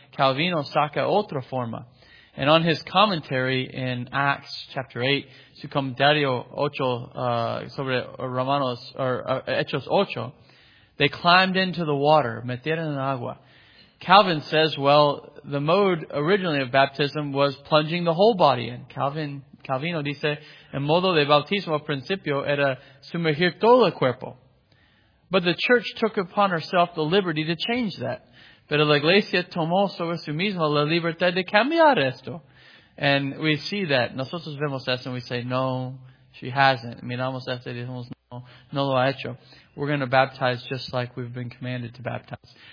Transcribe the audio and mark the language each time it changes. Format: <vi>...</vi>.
<es>Calvino saca otra forma.</es> <en>And on his commentary in Acts chapter 8,</en> <es>su comentario 8 sobre Romanos or Hechos 8,</es> <en>they climbed into the water,</en> <es>metieron en agua.</es> <en>Calvin says, well, the mode originally of baptism was plunging the whole body in.</en> <es>Calvino dice, el modo de bautismo al principio era sumergir todo el cuerpo.</es> <en>But the church took upon herself the liberty to change that.</en> <es>Pero la iglesia tomó sobre sí misma la libertad de cambiar esto.</es> <en>And we see that.</en> <es>Nosotros vemos eso</es> <en>and we say, no, she hasn't.</en> <es>Miramos eso y decimos, no lo ha hecho.</es> <en>We're going to baptize just like we've been commanded to baptize.</en>